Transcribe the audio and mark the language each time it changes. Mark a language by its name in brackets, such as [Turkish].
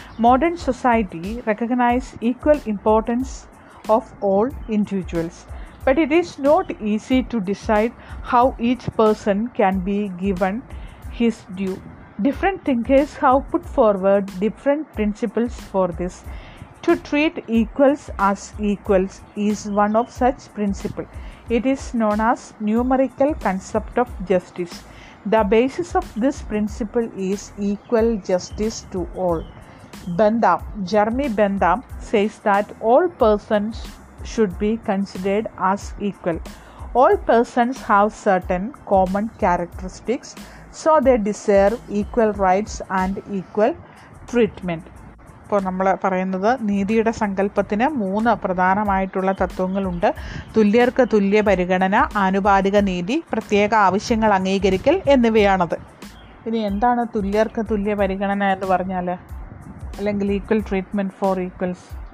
[English] Modern society recognise equal importance of all individuals, but it is not easy to decide how each person can be given his due. Different thinkers how put forward different principles for this. To treat equals as equals is one of such principle. It is known as numerical concept of justice. The basis of this principle is equal justice to all. Bentham, Jeremy Bentham, says that all persons should be considered as equal. All persons have certain common characteristics, so they deserve equal rights and equal treatment. [Malayalam] ഇപ്പോൾ നമ്മൾ പറയുന്നത് നീതിയുടെ സങ്കല്പത്തിന് മൂന്ന് പ്രധാനമായിട്ടുള്ള തത്വങ്ങളുണ്ട്: തുല്യർക്ക് തുല്യ പരിഗണന, ആനുപാതിക നീതി, പ്രത്യേക ആവശ്യങ്ങൾ അംഗീകരിക്കൽ എന്നിവയാണത്. ഇനി എന്താണ് തുല്യർക്ക് തുല്യ പരിഗണന എന്ന് പറഞ്ഞാൽ, അല്ലെങ്കിൽ [English] Equal treatment for equals?